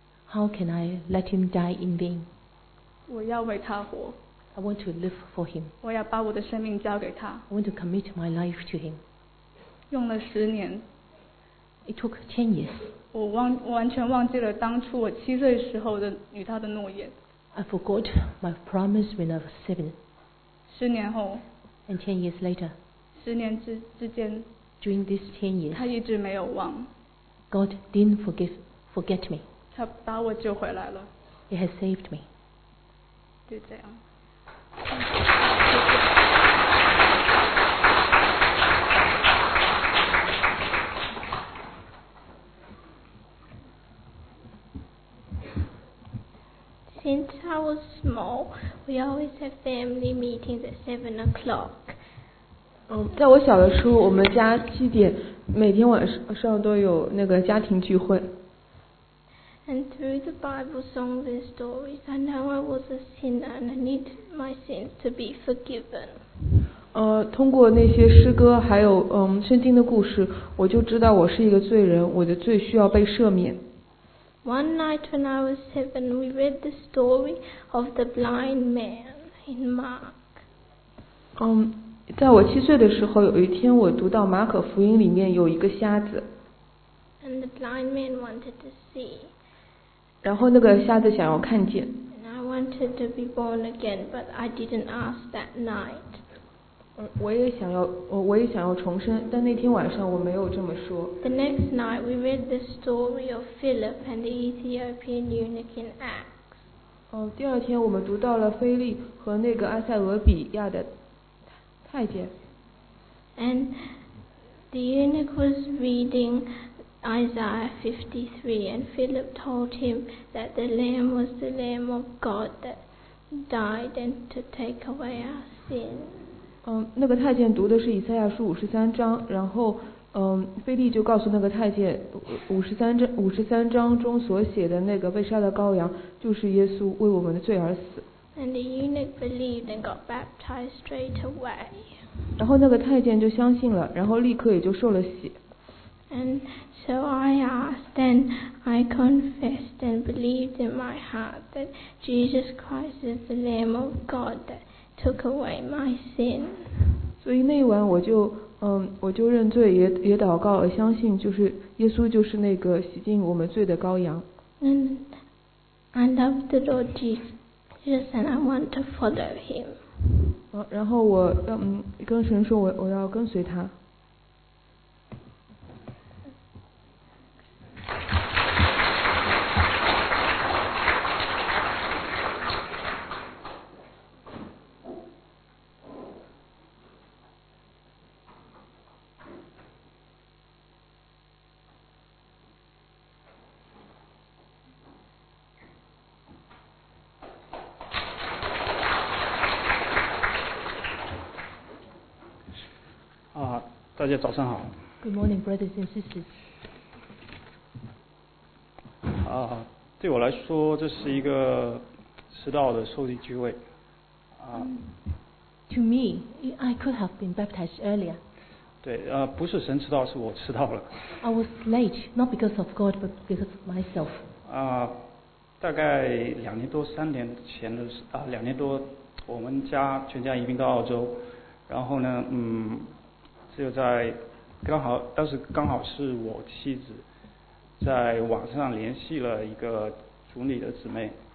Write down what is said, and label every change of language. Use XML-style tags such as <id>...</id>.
<en>？How can I let him die in vain?</en> <zh>我要为他活。</zh> <en>I want to live for him.</en> <zh>我要把我的生命交给他。</zh> <en>I want to commit my life to him.</en> <zh>用了十年。</zh> <en>It took 10 years.</en> <zh>我完全忘记了当初我七岁时候的与他的诺言。</zh> <en>I forgot my promise when I was 7.</en> <zh>十年后。</zh> <en>And 10 years later.</en> <zh>十年之间。</zh> <en>During these 10 years.</en> <zh>他一直没有忘。</zh> <en>God didn't forget me.</en> <zh>他把我救回来了。</zh> <en>He has saved me.</en> <zh>就这样。</zh> <en>since I was small, we always have family meetings at 7 o'clock.</en> <zh>在我小的时候，我们家七点每天晚上都有那个家庭聚会。</zh> <en>And through the Bible songs and stories, I know I was a sinner and I need my sins to be forgiven.</en> <zh>通过那些诗歌还有圣经的故事，我就知道我是一个罪人，我的罪需要被赦免。</zh> <en>One night when I was 7, we read the story of the blind man in Mark.</en> <zh>在我七岁的时候，有一天我读到马可福音里面有一个瞎子。</zh> <en>And the blind man wanted to see.</en> <zh>然后那个瞎子想要看见。</zh> <en>And I wanted to be born again, but I didn't ask that night.</en> <zh>我也想要重生，但那天晚上我没有这么说。</zh> <en>The next night, we read the story of Philip and the Ethiopian eunuch in Acts.</en> <zh>第二天我们读到了腓力和那个埃塞俄比亚的太监。</zh> <en>And the eunuch was reading. Isaiah 53, and Philip told him that the Lamb was the Lamb of God that died and to take away our sin.</en> <zh>那个太监读的是以赛亚书53章，然后腓力就告诉那个太监，53章中所写的那个被杀的羔羊就是耶稣为我们的罪而死。</zh> <en>And the eunuch believed and got baptized straight away.</en> <zh>然后那个太监就相信了，然后立刻也就受了洗。</zh> <en>And so I asked and I confessed and believed in my heart that Jesus Christ is the Lamb of God that took away my sin.</en> <zh>所以那一晚我就认罪 也祷告而相信就是耶稣就是那个洗净我们罪的羔羊。</zh> <en>And I love the Lord Jesus and I want to follow him.</en> <zh>然后我跟神说我要跟随他。大家早上好。</zh> <en>Good morning, brothers and sisters.</en> <zh>对我来说，这是一个迟到的受洗聚会。</zh> <en>To me, I could have been baptized earlier.</en> <zh>对，不是神迟到，是我迟到了。</zh> <en>I was late, not because of God, but because of myself.</en> <zh>大概两年多、三年前的两年多，我们家全家移民到澳洲，然后呢，就在刚好当时刚好是我妻子在网上联系了一个主里的姊妹。</zh>